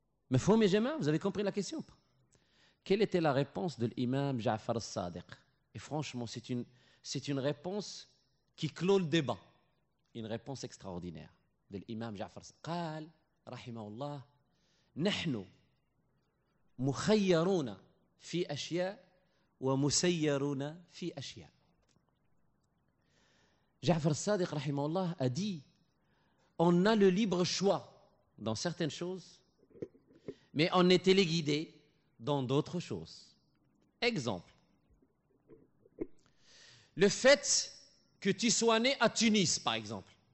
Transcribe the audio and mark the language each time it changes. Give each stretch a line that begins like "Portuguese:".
French: Mais faut mes jamaa, vous avez compris la question. Quelle était la réponse de l'imam Ja'far al-Sadiq? Et franchement, c'est une réponse qui clôt le débat. Une réponse extraordinaire de l'imam Ja'far al-Sadiq.
Arabic: قال, rahimahullah, نحن مخيرون في أشياء ومسيرون في أشياء.
French: Ja'far al-Sadiq, rahimahullah, a dit, on a le libre choix dans certaines choses, mais on est téléguidé dans d'autres choses. Exemple. Le fait que tu sois né à Tunis, par exemple.